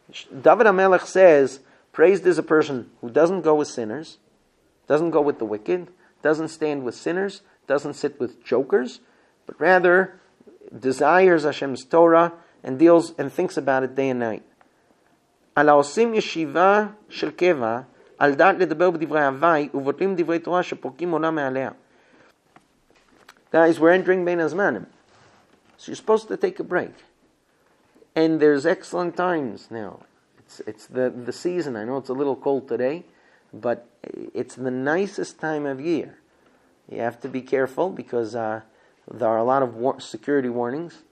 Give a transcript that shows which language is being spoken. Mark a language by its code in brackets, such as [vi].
[en] David HaMelech says, praised is a person who doesn't go with sinners, doesn't go with the wicked, doesn't stand with sinners, doesn't sit with jokers, but rather desires Hashem's Torah and deals and thinks about it day and night. [he] על העושים ישיבה של קבע, על דעת לדבר בדברי הווי, ובוטלים דברי תורה שפורקים עולם מעליה. [en] Guys, we're entering בין הזמנים. So you're supposed to take a break. And there's excellent times now. It's the season. I know it's a little cold today, but it's the nicest time of year. You have to be careful because there are a lot of security warnings.